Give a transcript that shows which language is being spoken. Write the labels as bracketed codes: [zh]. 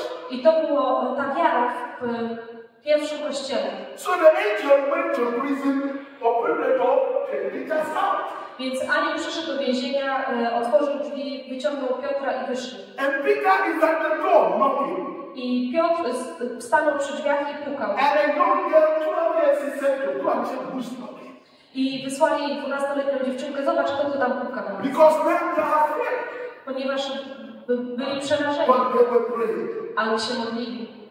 [pl] I to była ta wiara w pierwszym kościele. [en] So the angel went to prison, opened the door, and let us out. [pl] Więc anioł przyszedł do więzienia, otworzył drzwi, wyciągnął Piotra i wyszedł. [en] And Peter is at the door knocking. [pl] I Piotr stanął przy drzwiach i pukał. [en] And a young girl 12 years he said to go and check who's knocking. [pl] I wysłali 12-letnią dziewczynkę, zobacz, kto tu tam puka. [en] Because men are afraid. [pl] Ponieważ byli przerażeni, ale się modlili.